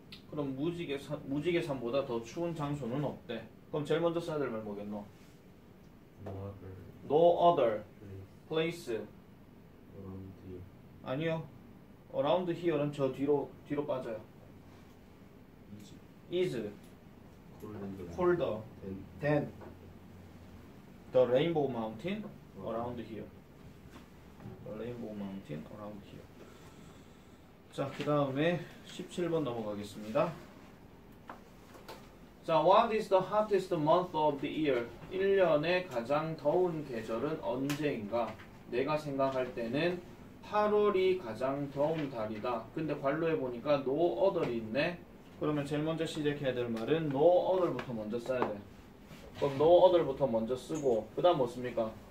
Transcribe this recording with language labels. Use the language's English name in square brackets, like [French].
[Korean] 그럼 무지개산보다 더 추운 장소는 없대. 그럼 제일 먼저 써야 될 말 뭐겠노? [English] No other, no other place. Around here. [Korean] 아니요. Around here는 저 뒤로 빠져요. [English] Is colder than the rainbow mountain? Around here. Rainbow Mountain around here. [Korean] 자, 그 다음에 17번 넘어가겠습니다. [English] 자, What is the hottest month of the year? [Korean] 1년에 가장 더운 계절은 언제인가? 내가 생각할 때는 8월이 가장 더운 달이다. 근데 관로에 보니까 no other이 있네. 그러면 제일 먼저 시작해야 될 말은 no other부터 먼저 써야 돼. 그럼 no other부터 먼저 쓰고 그 다음 뭐 씁니까?